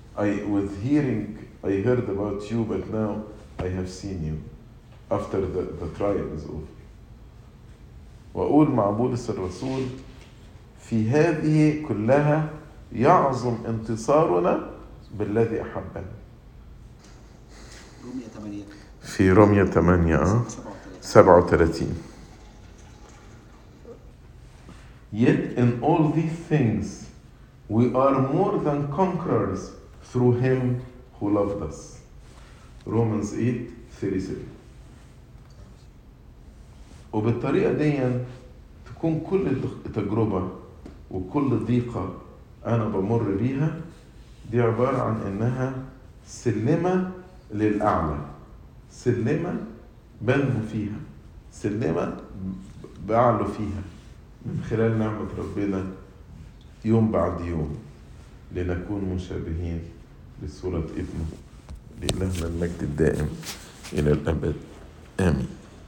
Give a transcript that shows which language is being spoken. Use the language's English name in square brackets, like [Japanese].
[English] I heard about you, but now I have seen you after the trial is over. [Arabic] وأقول مع بولس الرسول في هذه كلها يعظم انتصارنا بالذي أحبنا. في رومية 8:37. [English] Yet in all these things we are more than conquerors through him who loved us. Romans 8:37. [Arabic] وبالطريقة دي تكون كل تجربة وكل ضيقة أنا بمر بيها دي عبارة عن إنها سلمة للأعلى, سلمة بنمو فيها, سلمة بعلو فيها من خلال نعمة ربنا يوم بعد يوم لنكون مشابهين لصورة ابنه لله المجد الدائم إلى الأبد. آمين.